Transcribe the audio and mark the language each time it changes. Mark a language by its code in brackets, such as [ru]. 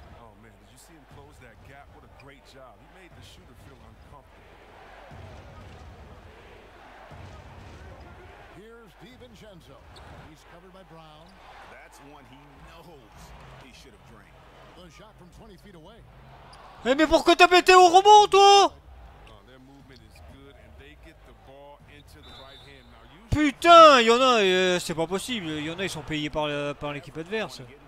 [en] Oh, man, did you see him close that gap? What a great job. He made the shooter feel uncomfortable. Here's DiVincenzo. He's covered by Brown. That's one he knows he should have drained. The shot from 20 feet away. [fr] Hey, mais pourquoi t'as pété au rebond, toi? [en] Oh, their movement is good, and they get the ball into the right hand. [fr] Putain, il y en a, c'est pas possible, il y en a, ils sont payés par l'équipe adverse.